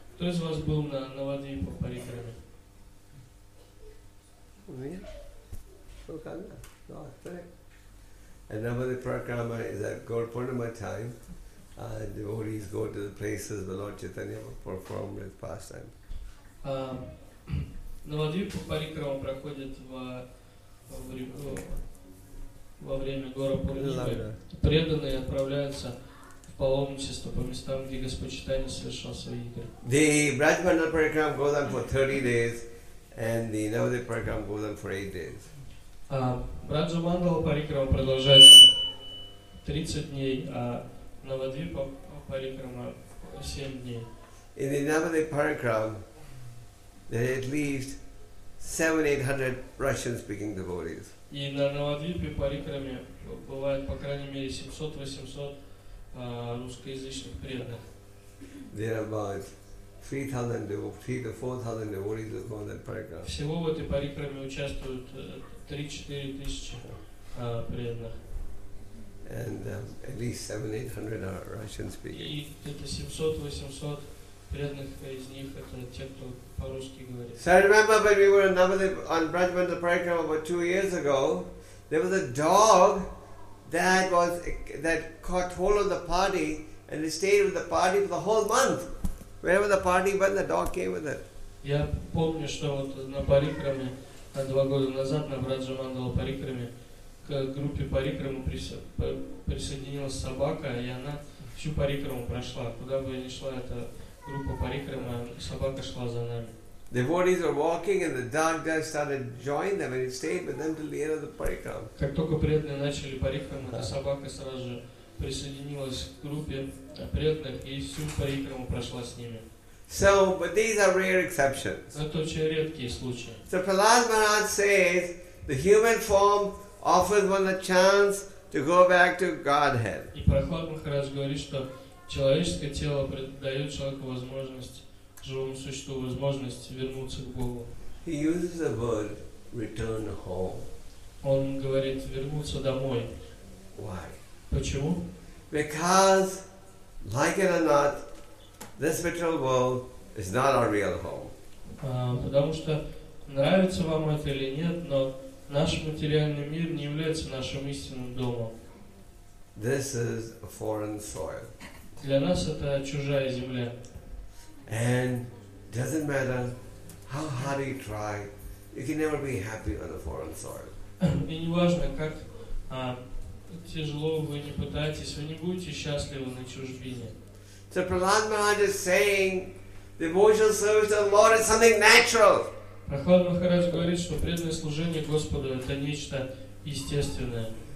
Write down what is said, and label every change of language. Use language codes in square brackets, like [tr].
[ru] Кто из вас был на Навадвипа Парикраме? [en] Me? Okay. And Navadvip Parikrama is at Gaur Purnima time. Devotees go to the places where Lord Chaitanya performed his pastime. [ru] Навадвипа Парикрама проходит во время Гора Пурнимы. Преданные отправляются в паломничество по местам, где Господь Чайтанья совершал свои игры. [en] The Brajmandal Parikram goes on for 30 days, and the Navadvipa Parikram goes on for 8 days. [ru] Brajmandal Parikram продолжается 30 дней, а Navadvipa Parikram 7 дней. [en] In the Navadvipa Parikram, there are at least 700-800 Russian-speaking devotees. [ru] И на Навадвипе Парикраме бывает по крайней мере 700-800 русскоязычных преданных. [en] There are about 3,000 devotees, 4,000 devotees that go on that Parikrama. [ru] Всего в этой Парикраме участвуют 3-4 тысячи преданных. [en] And at least 700-800 are Russian-speaking. [ru] И где-то 700-800 преданных из них это те, кто по-русски говорит. [en] So I remember when we were on Brajmandal Parikrama about 2 years ago, there was a dog that caught hold of the party and it stayed with the party for the whole month. Wherever the party went, the dog came with it. [ru] Я помню, что вот на Парикраме 2 года назад на Брадживандал Парикраме к группе Парикрама присоединилась собака, и она всю Парикраму прошла. Куда бы ни шла эта группа Парикрама, собака шла за нами. [en] The devotees were walking and the dog just started joining them and it stayed with them till the end of the parikram. [ru] Как только преданные начали парикраму, эта собака сразу же присоединилась к группе преданных и всю парикраму прошла с ними. [en] So, but these are rare exceptions. [ru] Это очень редкие случаи. [en] So Prahlad Maharaj says the human form offers one the chance to go back to Godhead. [ru] И Прахлад Махарадж говорит, что человеческое тело дает человеку возможность живому существу возможность вернуться к Богу. [en] He uses the word return home. [ru] Он говорит вернуться домой. [en] Why? [ru] Почему? [en] Because, like it or not, this material world is not our real home. [ru] Потому что нравится вам это или нет, но наш материальный мир не является нашим истинным домом. [en] This is a foreign soil. [ru] Для нас это чужая земля. [en] And doesn't matter how hard you try, you can never be happy on a foreign soil. [ru] И не важно, как тяжело вы не пытаетесь, вы не будете счастливы на чужбине. [en] So Prahlad Maharaj is saying, devotional service to the Lord is something natural. [ru] Прахлад Махарадж говорит, что преданное служение Господу это нечто естественное.